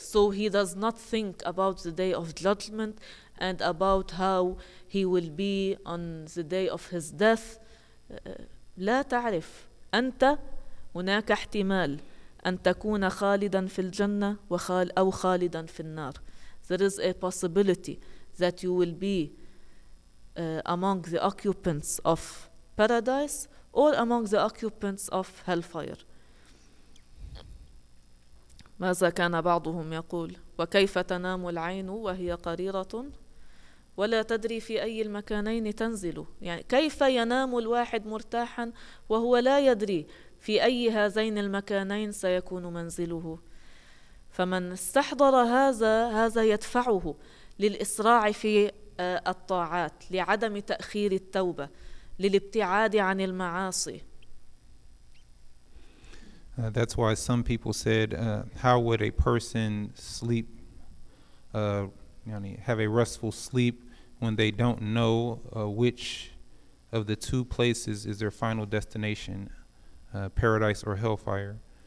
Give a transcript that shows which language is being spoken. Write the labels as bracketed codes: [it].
[en] So he does not think about the day of judgment and about how he will be on the day of his death. [ar] لا تعرف. أنت هناك احتمال أن تكون خالدا في الجنة أو خالدا في النار. [en] There is a possibility that you will be among the occupants of paradise or among the occupants of hellfire. [ar] ماذا كان بعضهم يقول؟ وكيف تنام العين وهي قريرة ولا تدري في أي المكانين تنزل. يعني كيف ينام الواحد مرتاحا وهو لا يدري في أي هذين المكانين سيكون منزله. فمن استحضر هذا يدفعه للإسراع في الطاعات، لعدم تأخير التوبة، للابتعاد عن المعاصي. [en] That's why some people said how would a person sleep have a restful sleep when they don't know which of the two places is their final destination, paradise or hellfire.